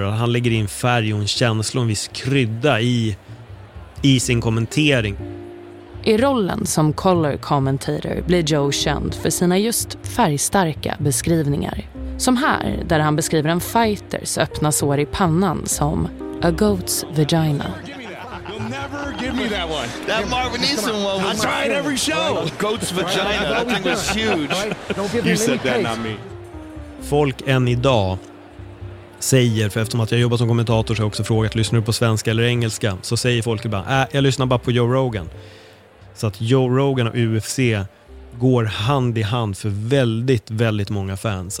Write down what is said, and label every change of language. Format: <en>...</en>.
<sv>Han lägger in färg och en känsla och en viss krydda i sin kommentering. I rollen som color commentator blir Joe känd för sina just färgstarka beskrivningar. Som här, där han beskriver en fighters öppna sår i pannan som</sv> <en>a goat's vagina. Never give me that one. That Marvin Eason one was I try it every show. Goat's vagina, that thing was huge. You said that, not me.</en> <sv>Folk än idag säger, för eftersom att jag jobbar som kommentator så har jag också frågat, lyssnar du på svenska eller engelska? Så säger folk ibland, jag lyssnar bara på Joe Rogan. Så att Joe Rogan och UFC går hand i hand för väldigt, väldigt många fans.</sv>